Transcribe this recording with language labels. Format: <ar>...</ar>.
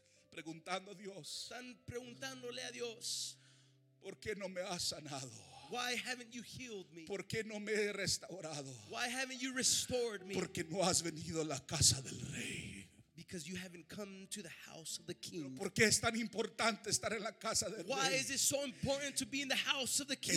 <es>preguntando a Dios, están preguntándole a Dios, ¿por qué no me has sanado?</es> <en>Why haven't you healed me?</en> <es>¿Por qué no me he restaurado?</es> <en>Why haven't you restored me?</en> <es>Porque no has venido a la casa del rey.</es> <en>Because you haven't come to the house of the king.</en> <es>¿Por qué es tan importante estar en la casa del rey?</es> <en>Why is it so important to be in the house of the king?</en>